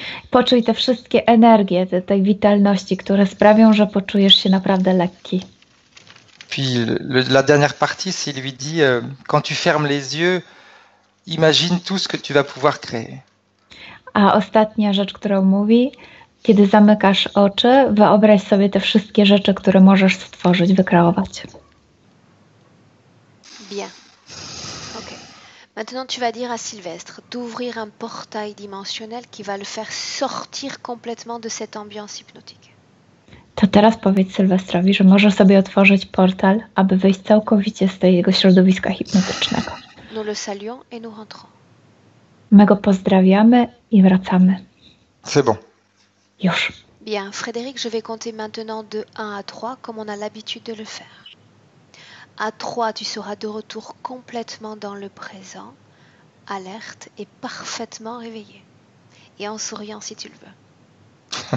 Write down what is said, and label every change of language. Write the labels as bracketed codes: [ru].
[pl] Poczuj te wszystkie energie tej witalności, które sprawią, że poczujesz się naprawdę lekki. [fr] Puis la dernière partie, c'est lui dit, quand tu fermes les yeux, imagine tout ce que tu vas pouvoir créer. [pl] A ostatnia rzecz, którą mówi, kiedy zamykasz oczy, wyobraź sobie te wszystkie rzeczy, które możesz stworzyć, wykreować. [fr] Bien. Ok. Maintenant tu vas dire à Sylvestre d'ouvrir un portail dimensionnel qui va le faire sortir complètement de cette ambiance hypnotique. [pl] To teraz powiedz Sylwestrowi, że może sobie otworzyć portal, aby wyjść całkowicie z tego środowiska hipnotycznego. [fr] Nous le saluons et nous rentrons. [pl] My go pozdrawiamy i wracamy. [fr] C'est bon. [pl] Już. [fr] Bien, Frédéric, je vais compter maintenant de 1 à 3 comme on a l'habitude de le faire. À 3, tu seras de retour complètement dans le présent, alerte et parfaitement réveillé. Et en souriant si tu le veux.